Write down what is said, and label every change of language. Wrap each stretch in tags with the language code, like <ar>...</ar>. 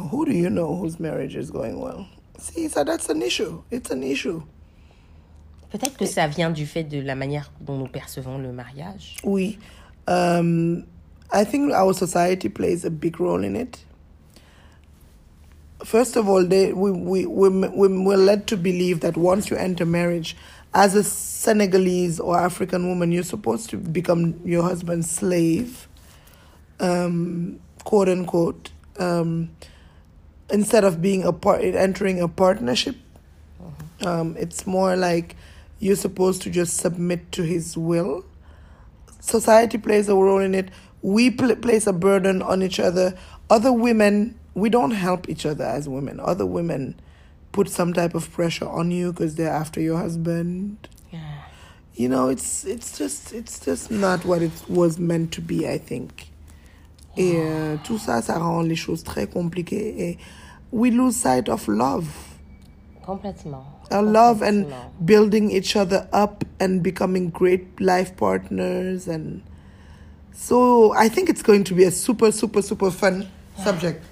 <en>Who do you know whose marriage is going well? See, so that's an issue. It's an issue.</en> <fr>Peut-être que ça vient du fait de la manière dont nous percevons le mariage. Oui.</fr> <en>I think our society plays a big role in it. First of all, we're led to believe that once you enter marriage, as a Senegalese or African woman, you're supposed to become your husband's slave, quote unquote, instead of being entering a partnership. It's more like you're supposed to just submit to his will. Society plays a role in it. We place a burden on each other. Other women, we don't help each other as women. Other women put some type of pressure on you because they're after your husband. Yeah. You know, it's just not what it was meant to be, I think. Yeah.</en> <fr>Et tout ça, ça rend les choses très compliquées.</fr> <en>Et we lose sight of love.</en> <fr>Complètement.</fr> <en>Our love and building each other up and becoming great life partners. And so I think it's going to be a super, super, super fun subject.</en>